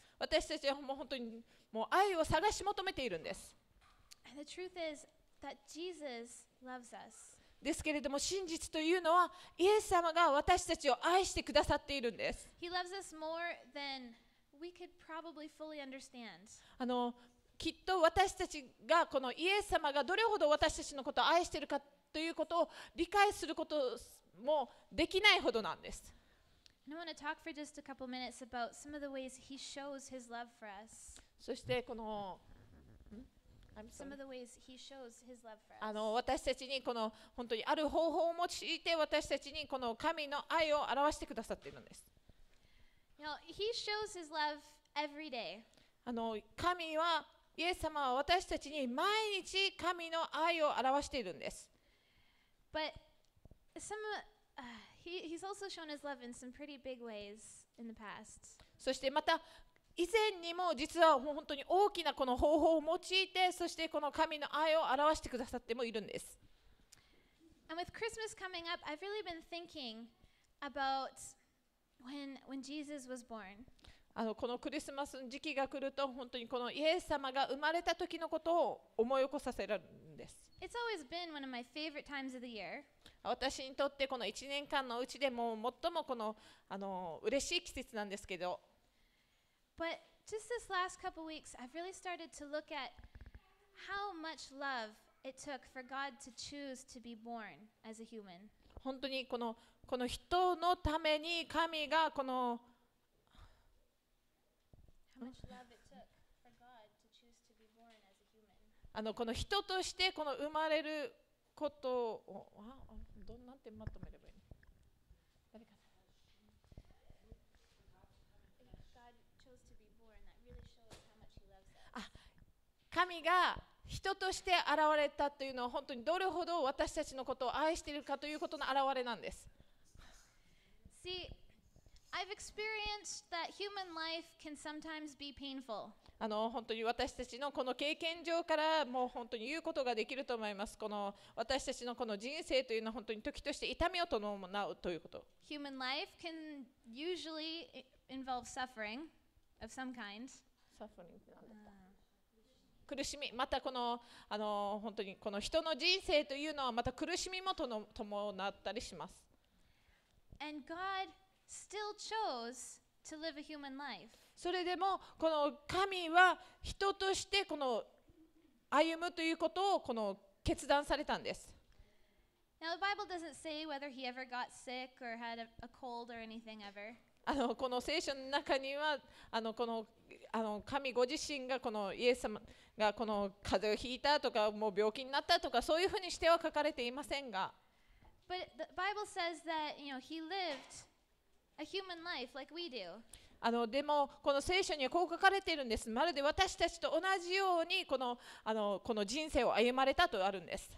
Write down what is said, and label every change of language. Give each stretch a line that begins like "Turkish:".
Japanese: 私たちはもう本当にもう愛を探し求めているんです。
English: And the truth is that Jesus loves us.
Japanese: ですけれども真実というのはイエス様が私たちを愛してくださっているんです。
English: He loves us more than we could probably fully understand.
Japanese: きっと私たちがこのイエス様がどれほど私たちのことを愛しているかということを理解することもできないほどなんです。
English: And I want to talk for just a couple minutes about some of the ways he shows his love for us.
Japanese: そしてこの
English: Some of the ways he shows his love for us.
Japanese: 私たちにこの本当にある方法を用いて私たちにこの神の愛を表してくださっているんです。
English: You know, he shows his love every day.
Japanese: 神はイエス様は私たちに毎日神の愛を表しているんです。
English: But some he's also shown his love in some pretty big ways in the past.
Japanese: そしてまた以前にも実はもう本当に大きなこの方法を用いてそしてこの神の愛を表してくださってもいるんです。
English: And with Christmas coming up, I've really been thinking about when Jesus was born.
Japanese: このクリスマスの時期が来ると本当にこのイエス様が生まれた時のことを思い起こさせられるんです。
English: It's always been one of my favorite times of the year.
Japanese: 私にとってこの1年間のうちでも最もこの嬉しい季節なんですけど。
English: But just this last couple weeks, I've really started to look at how much love it took for God to choose to be born as a human.
Japanese: 本当にこの人のために神がこの
English: How much love it took for God to choose to be born as a human.
Japanese: この人としてこの生まれることをどんなんてまとめればいい。神が人として現れたというのは本当にどれほど私たちのことを愛しているかということの現れなんです。
English: See, I've experienced that human life can sometimes be painful.
Japanese: 本当に私たちのこの経験上からもう本当に言うことができると思います。この私たちのこの人生というのは本当に時として痛みを伴うということ。
English: Human life can usually involve suffering of some kind.
Japanese: Suffering って何ですか？苦しみまたこの本当にこの人の人生というのはまた苦しみも伴ったりします。
English: And God still chose to live a human life.
Japanese: それでもこの神は人としてこの歩むということをこの決断されたんです。
English: Now the Bible doesn't say whether he ever got sick or had a cold or anything ever.
Japanese: この聖書の中にはこの神ご自身がこのイエス様がこの風邪をひいたとかもう病気になったとかそういうふうにしては書かれていませんが。
English: But the Bible says that, you know, he lived a human life like we do.
Japanese: でもこの聖書にはこう書かれているんです。まるで私たちと同じようにこの人生を歩まれたとあるんです。